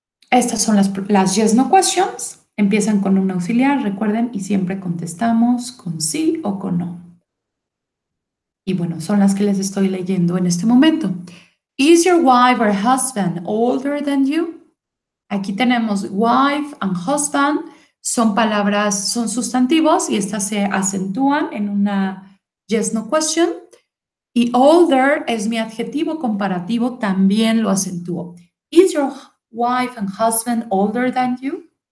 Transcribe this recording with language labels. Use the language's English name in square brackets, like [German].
[Spanish] Estas son las [English] yes, no questions. [Spanish] Empiezan con un auxiliar, recuerden, y siempre contestamos con sí o con no. Y bueno, son las que les estoy leyendo en este momento. [English] Is your wife or husband older than you? [Spanish] Aquí tenemos [English] wife and husband. [Spanish] Son palabras, son sustantivos y estas se acentúan en una [English] yes, no question. [Spanish] Y older es mi adjetivo comparativo, también lo acentúo. [English] Is your wife and husband older than you?